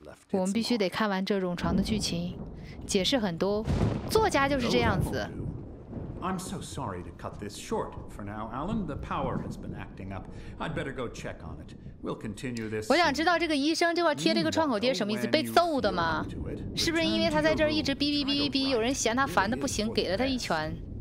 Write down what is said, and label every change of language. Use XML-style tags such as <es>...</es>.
<zh>我们必须得看完这冗长的剧情，解释很多。作家就是这样子。</zh> <en>I'm so sorry to cut this short for now, Alan. The power has been acting up. I'd better go check on it. We'll continue this.</en> <zh>我想知道这个医生这块贴这个创口贴什么意思？被揍的吗？是不是因为他在这儿一直哔哔哔哔哔，有人嫌他烦的不行，给了他一拳？</zh>